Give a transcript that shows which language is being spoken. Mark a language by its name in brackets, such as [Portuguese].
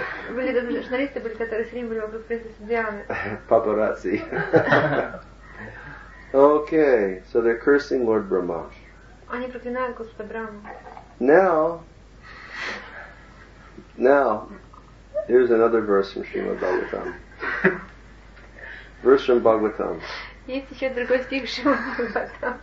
[Russian] Были даже журналисты, были которые с ним были вокруг принцессы Дианы. Папарацци. [English] Okay, so they're cursing Lord Brahma. [Russian] Они проклинают Господа Брахму. [English] Now, here's another verse from Srimad Bhagavatam. Verse from Bhagavatam. [Russian] Есть еще другой стих Шримад Бхагаватам.